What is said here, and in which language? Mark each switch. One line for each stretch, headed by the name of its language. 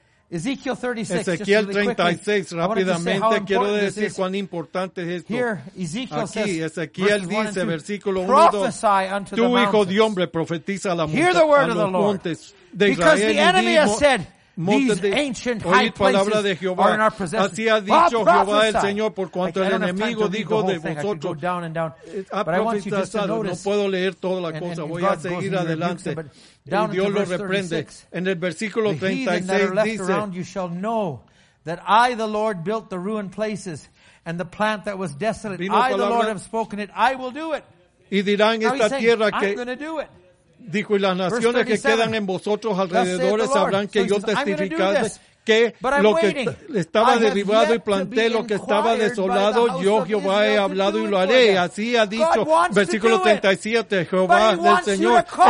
Spanish: Ezequiel 36, Ezequiel 36 rápidamente quiero decir cuán importante es esto.
English: Here, Ezekiel
Spanish: aquí, Ezequiel dice, versículo 1, tú, hijo de hombre, profetiza a los montes de Israel.
English: Because the enemy has said, These ancient high places are in our possession.
Spanish: Así ha dicho Jehová el Señor por cuanto el enemigo dijo de vosotros.
English: I don't have time to read the whole thing.
Spanish: No puedo leer toda la cosa. Voy a seguir adelante. Y Dios lo reprende. En el versículo 36 dice,
English: The heathen that are left around you shall know that I, the Lord, built the ruined places and the plant that was desolate. I, the Lord, have spoken it. I will do it.
Spanish: Y dirán esta tierra que
English: I'm going to do it.
Spanish: Dijo, y las naciones que quedan en vosotros alrededor sabrán que yo testificaré que lo que estaba derribado y planté, lo que estaba desolado, yo Jehová he hablado y lo haré. Así ha dicho, versículo 37, Jehová del Señor.